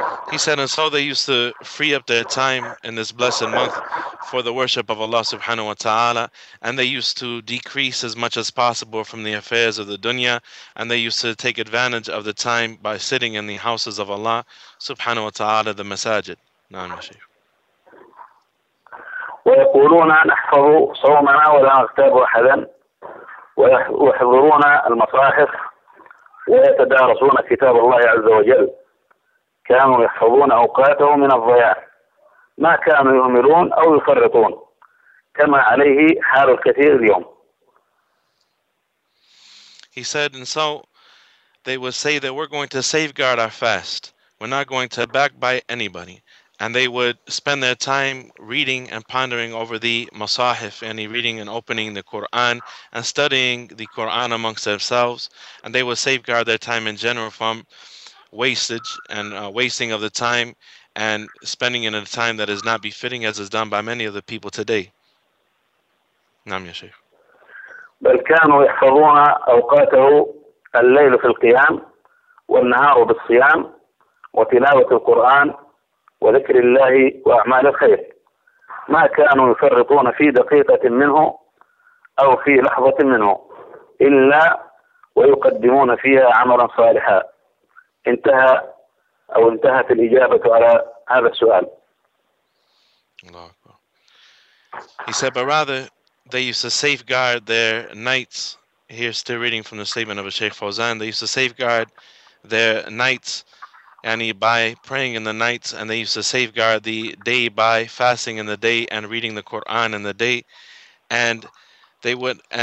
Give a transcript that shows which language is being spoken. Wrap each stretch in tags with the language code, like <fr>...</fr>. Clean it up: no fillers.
<en>He said, and so they used to free up their time in this blessed month for the worship of Allah subhanahu wa ta'ala, and they used to decrease as much as possible from the affairs of the dunya, and they used to take advantage of the time by sitting in the houses of Allah subhanahu wa ta'ala, the masajid.</en> <ar>Naam, ya Shaykh. وَيَقُولُونَ نَحْفَظُ صَوْمَنَا وَلَا نَغْتَابُ أَحَدًا وَيَحْضُرُونَ الْمَصَاحِفِ وَيَتَدَارَسُونَ كِتَابَ اللَّهِ عَزَّ وَجَلْ كانوا يحفظون أوقاته من الضياع ما كانوا يهملون أو يفرطون كما عليه حال الكثير اليوم.</ar> <en>He said, and so they would say that we're going to safeguard our fast. were not going to backbite anybody, and they would spend their time reading and pondering over the Masahif, and reading and opening the Quran and studying the Quran amongst themselves, and they would safeguard their time in general from wastage and wasting of the time and spending in a time that is not befitting, as is done by many of the people today.</en> <ar>نعم يا شيخ. بل كانوا يحفظون أوقاته الليل في القيام والنهار بالصيام وتلاوة القرآن وذكر الله وأعمال الخير، ما كانوا يفرطون في دقيقة منه أو في لحظة منه إلا ويقدمون فيها عملا صالحا. انتهى أو انتهت الإجابة على هذا السؤال. الله أكبر.</ar> <en>He said, but rather they used to safeguard their nights. Here's still reading from the statement of a Sheikh Fawzan. They used to safeguard their nights and by praying in the nights, and they used to safeguard the day by fasting in the day and reading the Quran in the day, and they would</en>